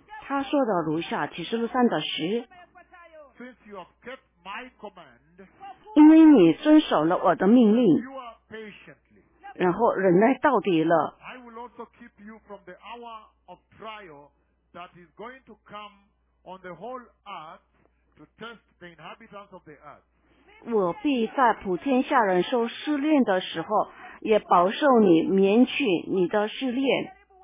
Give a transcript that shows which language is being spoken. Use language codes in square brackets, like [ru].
[zh] 他说的如下，启示录三的十。 [en] Since you have kept my command. [zh] 因为你遵守了我的命令。 [en] You are patiently. [zh] 然后忍耐到底了。 [en] I will also keep you from the hour of trial that is going to come on the whole earth to test the inhabitants of the earth. [zh] 我必在普天下人受试炼的时候，也保守你，免去你的试炼。